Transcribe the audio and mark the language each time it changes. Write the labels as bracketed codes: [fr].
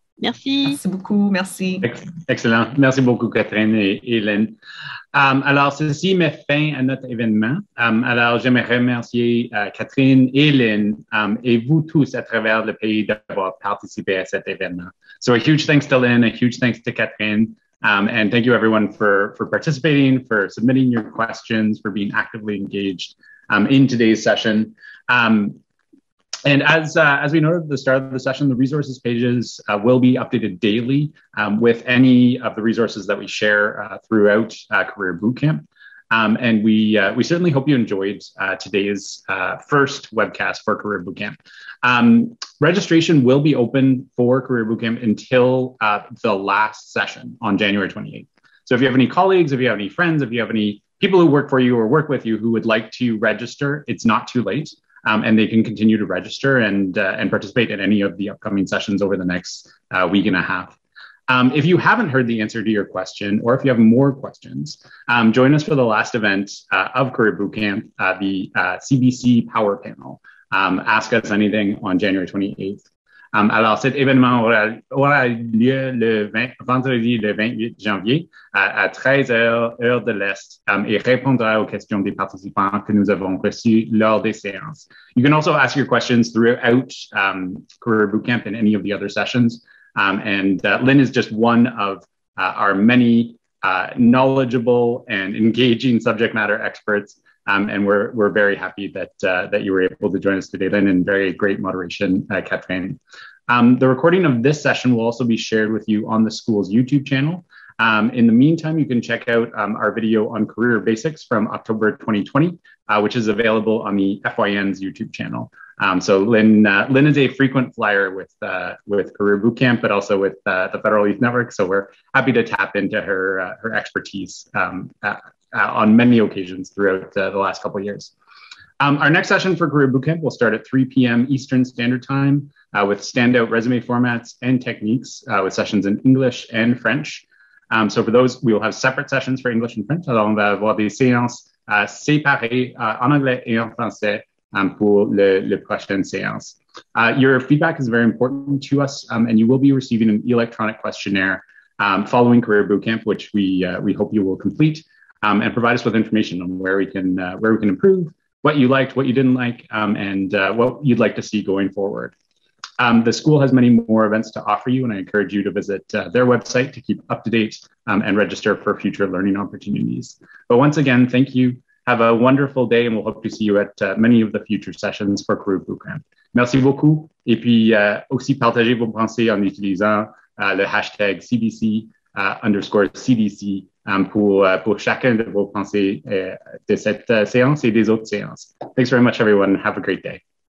[fr] Merci. Merci beaucoup. Merci. Excellent. Merci beaucoup, Catherine et Hélène. Alors, ceci met fin à notre événement. Alors, j'aimerais remercier Catherine et Lynne et vous tous à travers le pays d'avoir participé à cet événement. [en] So a huge thanks to Lynne, a huge thanks to Catherine, and thank you everyone for participating, for submitting your questions, for being actively engaged in today's session. And as we noted at the start of the session, the resources pages will be updated daily with any of the resources that we share throughout Career Bootcamp. And we certainly hope you enjoyed today's first webcast for Career Bootcamp. Registration will be open for Career Bootcamp until the last session on January 28th. So if you have any colleagues, if you have any friends, if you have any people who work for you or work with you who would like to register, it's not too late. And they can continue to register and participate in any of the upcoming sessions over the next week and a half. If you haven't heard the answer to your question, or if you have more questions, join us for the last event of Career Bootcamp, the CBC Power Panel. Ask us anything on January 28th. [fr] Alors, cet événement aura lieu vendredi le 28 janvier à 13h, heure de l'Est, et répondra aux questions des participants que nous avons reçues lors des séances. [en] You can also ask your questions throughout Career Bootcamp and any of the other sessions. Lynne is just one of our many knowledgeable and engaging subject matter experts. And we're very happy that that you were able to join us today, Lynne, and very great moderation, Catherine. The recording of this session will also be shared with you on the school's YouTube channel. In the meantime, you can check out our video on career basics from October 2020, which is available on the FYN's YouTube channel. So Lynne is a frequent flyer with Career Bootcamp, but also with the Federal Youth Network. So we're happy to tap into her her expertise on many occasions throughout the last couple of years. Our next session for Career Bootcamp will start at 3 p.m. Eastern Standard Time with standout resume formats and techniques with sessions in English and French. So for those, we will have separate sessions for English and French. [fr] Alors, on va avoir des séances séparées en anglais et en français pour le prochaine séance. [en] Your feedback is very important to us, and you will be receiving an electronic questionnaire following Career Bootcamp, which we hope you will complete. And provide us with information on where we can improve, what you liked, what you didn't like, what you'd like to see going forward. The school has many more events to offer you, and I encourage you to visit their website to keep up to date and register for future learning opportunities. But once again, thank you. Have a wonderful day, and we'll hope to see you at many of the future sessions for Career Bootcamp. [fr] Merci beaucoup. Et puis aussi partagez vos pensées en utilisant le hashtag CBC underscore CDC. Pour chacun de vos pensées de cette séance et des autres séances. [en] Thanks very much, everyone. Have a great day.